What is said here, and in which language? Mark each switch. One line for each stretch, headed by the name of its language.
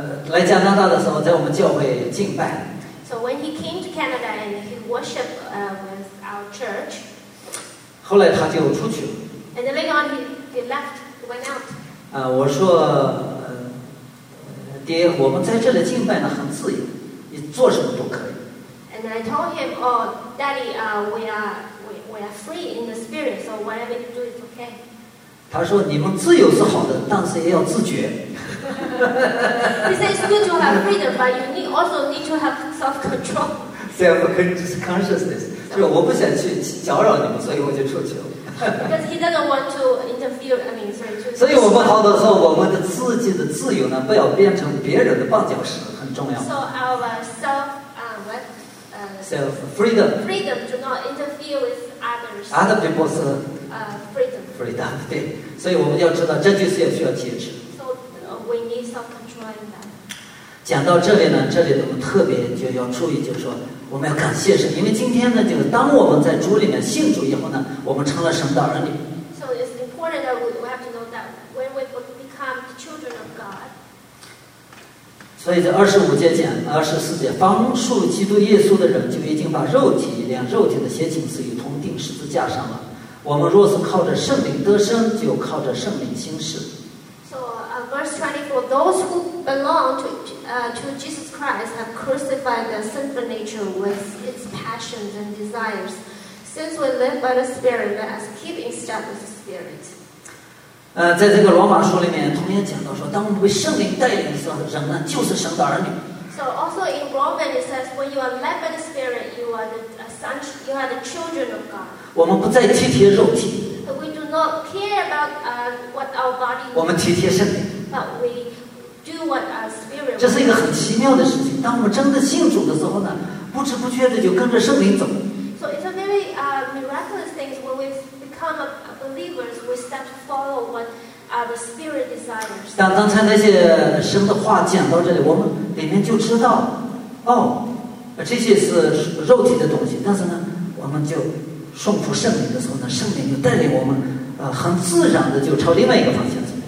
Chinese: 来加拿大的时候，在我们教会敬拜。
English: So when he came to Canada and he worshiped with our church.
Chinese: 后来他就出去了。
English: And then later on, he left, went out.
Chinese: 我说。爹，我们在这里敬拜呢，很自由，你做什么都可以。
English: And I told him, oh, Daddy, we are free in the spirit, so whatever you do is okay.
Chinese: 他说你们自由是好的，但是也要自觉。
English: He said it's good to have freedom, but you also need to have self-control.
Chinese: Self-consciousness, 就是我不想去搅扰你们，所以我就出去了。
English: Because he doesn't want to interfere. I mean, sorry.
Chinese: 所以我们逃的时候，我们的自己的自由呢，不要变成别人的绊脚石，很重要。
English: So our self, self freedom. Freedom to not interfere with others. Other people's freedom. Freedom.
Chinese: 对，所以我们要知道，这就是要需要节制。
English: So we need self-control in that.
Chinese: 讲到这里呢，这里我们特别就要注意，就是说我们要感谢神，因为今天呢，就是当我们在主里面信主以后呢，我们成了神的儿女。
English: So it's important that we have to know that when we become children of God.
Chinese: 所以在25节讲，24节，方属基督耶稣的人就已经把肉体连肉体的邪情私欲同钉十字架上了。我们若是靠着圣灵得生，就靠着圣灵行事。
English: Verse 24, those who belong to Jesus Christ have crucified the sinful nature with its passions and desires. Since we live by the Spirit, let us keep in step with the Spirit.
Chinese: 在这个罗马书里面同样讲到说，当被圣灵带领的时候，人呢就是神的儿女。
English: So also in Romans it says, when you are led by the Spirit, you are the sons, you are the children of God.
Chinese: 我们不再体贴肉体。
English: We do not care about what our body.
Chinese: 我们体贴圣灵。
English: But we do what our spirit.
Chinese: 这是一个很奇妙的事情。当我们真的信主的时候呢，不知不觉的就跟着圣灵走。
English: So it's a very miraculous thing when we become believers. We start to follow what our spirit desires.
Chinese: 当刚才那些神的话讲到这里，我们里面就知道，哦，这些是肉体的东西。但是呢，我们就顺服圣灵的时候呢，圣灵就带领我们，很自然的就朝另外一个方向走。